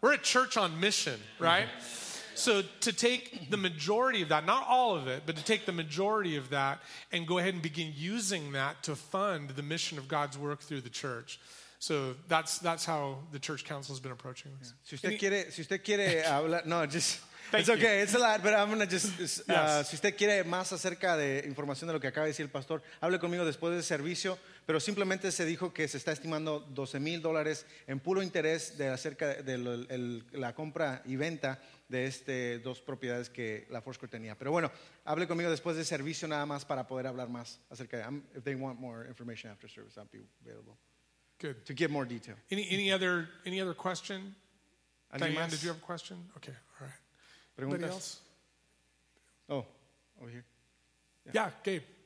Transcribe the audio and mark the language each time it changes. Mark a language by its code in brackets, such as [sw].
[en] we're a church on mission, right? Mm-hmm. So to take the majority of that, not all of it, but to take the majority of that and go ahead and begin using that to fund the mission of God's work through the church. So that's how the church council has been approaching this. [es] Si usted quiere, hablar, no, [en] just, thank it's okay, you. It's a lot, but I'm going to just, yes. [es] Si usted quiere más acerca de información de lo que acaba de decir el pastor, hable conmigo después del servicio, pero simplemente se dijo que se está estimando $12,000 en puro interés de acerca de la compra y venta de este dos propiedades que la Foursquare tenía. Pero bueno, hable conmigo después de servicio nada más para poder hablar más acerca de. [en] If they want more information after service, I'll be available. Good. To give more detail. Any other question? Diane, did you have a question? Okay, all right. [es] ¿Preguntas? [en] Anybody else? Oh, over here. Yeah, Gabe.